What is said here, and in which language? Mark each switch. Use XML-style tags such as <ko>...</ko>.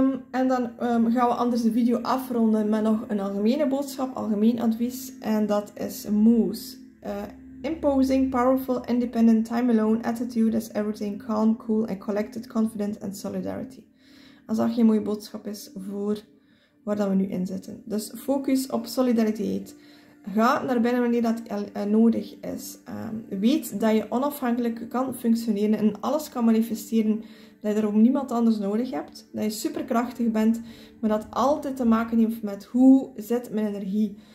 <nl>En dan gaan we anders de video afronden met nog een algemene boodschap, algemeen advies. En dat is Moose.</nl> <en>Imposing, powerful, independent, time alone, attitude is everything, calm, cool and collected, confident and solidarity.</en> <nl>Als dat geen mooie boodschap is voor waar dat we nu in zitten. Dus focus op solidariteit. Ga naar binnen wanneer dat nodig is. Weet dat je onafhankelijk kan functioneren en alles kan manifesteren. Dat je er ook niemand anders nodig hebt. Dat je superkrachtig bent. Maar dat altijd te maken heeft met hoe zit mijn energie.</nl>